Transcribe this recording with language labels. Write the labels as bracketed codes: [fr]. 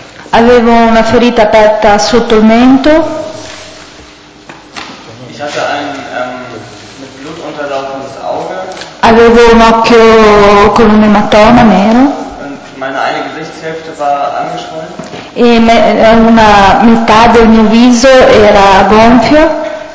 [it] Avevo una ferita aperta sotto il mento. [de] Ich hatte ein mit Blut unterlaufendes Auge. [it] Avevo un occhio con un ematoma nero. [de] Meine eine Gesichtshälfte war angeschwollen. [it] E una metà del mio viso era gonfio.